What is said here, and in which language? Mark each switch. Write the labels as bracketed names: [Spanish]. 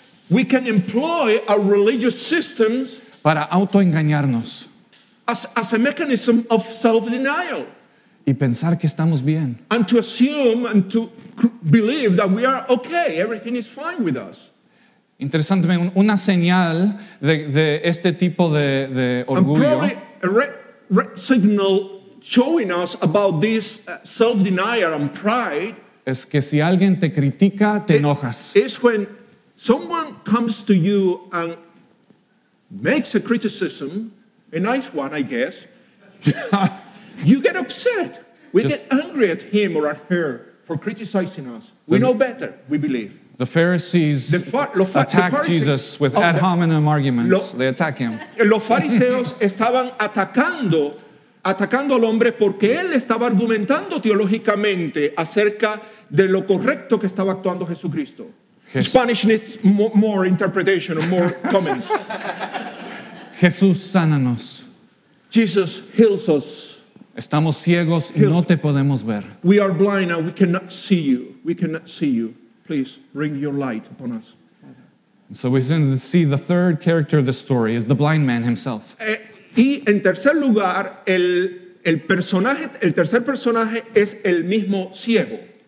[English] We can employ our religious systems [Spanish] para autoengañarnos [English] as a mechanism of self-denial [Spanish] y pensar que estamos bien [English] and to assume and to believe that we are okay, everything is fine with us. [Spanish] Interesante, una señal de este tipo de orgullo. [English] And probably a red signal showing us about this self-denial and pride [Spanish] es que si alguien te critica, te enojas. [English] Is when someone comes to you and makes a criticism, a nice one, I guess, you get upset. We get angry at him or at her for criticizing us. We know better, we believe. The Pharisees attack Jesus with ad hominem arguments. They attack him. [Spanish] Los fariseos estaban atacando al hombre porque él estaba argumentando teológicamente acerca de lo correcto que estaba actuando Jesucristo. [English] Spanish needs more interpretation or more comments. [Spanish] Jesús, sánanos. [English] Jesus heals us. [Spanish] Estamos ciegos y no te podemos ver. [English] We are blind and we cannot see you. We cannot see you. Please bring your light upon us. So we see the third character of the story is the blind man himself. [Spanish] Y en tercer lugar, el tercer personaje es el mismo ciego.